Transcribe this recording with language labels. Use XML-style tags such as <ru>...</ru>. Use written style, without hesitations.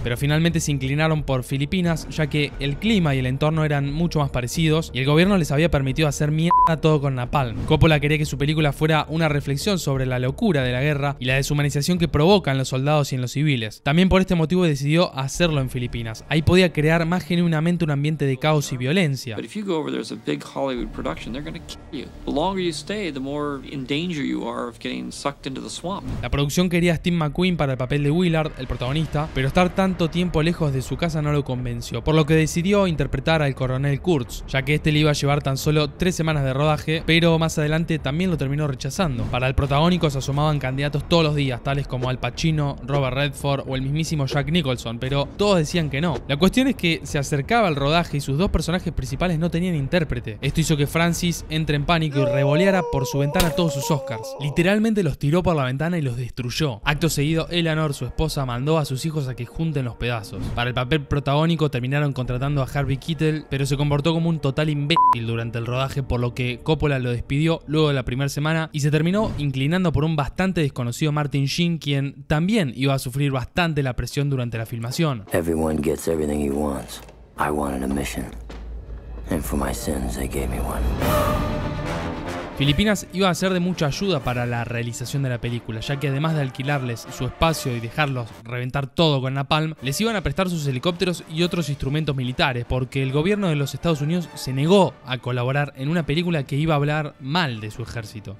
<es>Pero finalmente se inclinaron por Filipinas, ya que el clima y el entorno eran mucho más parecidos y el gobierno les había permitido hacer mierda todo con napalm. Coppola quería que su película fuera una reflexión sobre la locura de la guerra y la deshumanización que provoca en los soldados y en los civiles. También por este motivo decidió hacerlo en Filipinas. Ahí podía crear más genuinamente un ambiente de caos y violencia.</es> <en>But if you go over there, there's a big Hollywood production, they're gonna kill you. The longer you stay, the more in danger you are of getting sucked into the swamp.</en> <es>La producción quería a Steve McQueen para el papel de Willard, el protagonista, pero estar tanto tiempo lejos de su casa no lo convenció, por lo que decidió interpretar al coronel Kurtz, ya que este le iba a llevar tan solo 3 semanas de rodaje, pero más adelante también lo terminó rechazando. Para el protagónico se asomaban candidatos todos los días, tales como Al Pacino, Robert Redford o el mismísimo Jack Nicholson, pero todos decían que no. La cuestión es que se acercaba al rodaje y sus dos personajes principales no tenían intérprete. Esto hizo que Francis entre en pánico y revoleara por su ventana todos sus Oscars. Literalmente los tiró por la ventana y los destruyó. Acto seguido, Eleanor, su esposa, mandó a sus hijos a que junten los pedazos. Para el papel protagónico terminaron contratando a Harvey Keitel, pero se comportó como un total imbécil durante el rodaje, por lo que Coppola lo despidió luego de la primera semana y se terminó inclinando por un bastante desconocido Martin Sheen, quien también iba a sufrir bastante la presión durante la filmación.</es> <en>Everyone gets everything he wants. I wanted a mission, and for my sins they gave me one.</en> <es>Filipinas iba a ser de mucha ayuda para la realización de la película, ya que además de alquilarles su espacio y dejarlos reventar todo con napalm, les iban a prestar sus helicópteros y otros instrumentos militares, porque el gobierno de los Estados Unidos se negó a colaborar en una película que iba a hablar mal de su ejército.</es>